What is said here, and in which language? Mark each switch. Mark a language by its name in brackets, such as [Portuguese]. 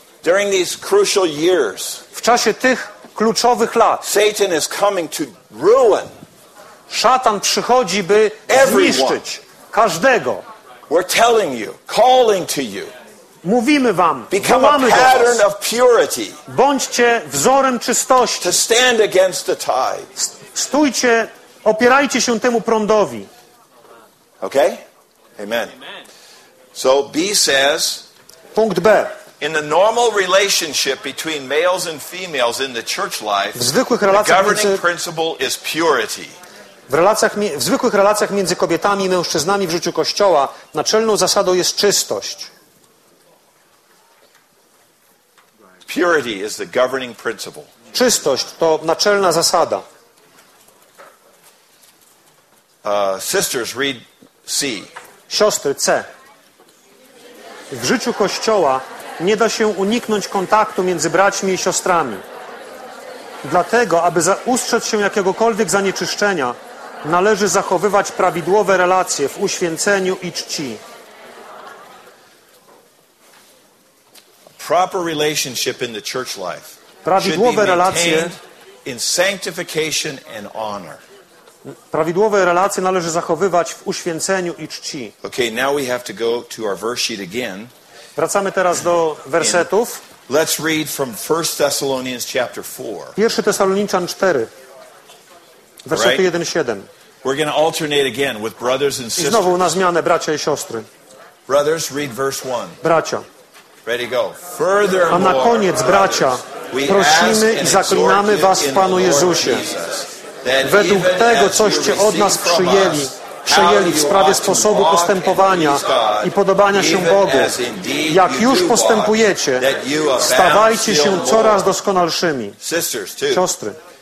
[English] during these crucial years, [Polish] w czasie tych kluczowych lat, [English] Satan is coming to ruin. [Polish] Szatan przychodzi, by zniszczyć każdego. [English] We're telling you, calling to you. [Polish] Mówimy wam, [English] become a pattern of purity. [Polish] Bądźcie wzorem czystości. [English] To stand against the tide. [Polish] Stójcie, opierajcie się temu prądowi. [English] Okay? Amen. So B says, [Polish] punkt B. [English] In the normal relationship between males and females in the church life, [Polish] w zwykłych relacjach [English] the governing principle is purity. [Polish] W zwykłych relacjach między kobietami i mężczyznami w życiu Kościoła naczelną zasadą jest czystość. [English] Purity is the governing principle. [Polish] Czystość to naczelna zasada. [English] Sisters, read C. [Polish] Siostry, C. W życiu Kościoła nie da się uniknąć kontaktu między braćmi i siostrami. Dlatego, aby ustrzec się jakiegokolwiek zanieczyszczenia, należy zachowywać prawidłowe relacje w uświęceniu i czci. [English] Proper relationship in the church life. [Polish] Prawidłowe relacje [English] in sanctification and honor. [Polish] Prawidłowe relacje należy zachowywać w uświęceniu i czci. [English] Okay, now we have to go to our verse sheet again. [Polish] Wracamy teraz do wersetów. [English] Let's read from 1 Thessalonians chapter 4. [Polish] 1 Tesaloniczan 4. Wersety 1-7. [English] We're going to alternate again with brothers and sisters. [Polish] I znowu na zmianę bracia i siostry. [English] Brothers, read verse 1. [Polish] Bracia. [English] Ready, go. Furthermore, [Polish] a na koniec, bracia, prosimy i zaklinamy was w Panu Jezusie. Według tego, coście od nas przyjęli w sprawie sposobu postępowania i podobania się Bogu, jak już postępujecie, stawajcie się coraz doskonalszymi. Siostry.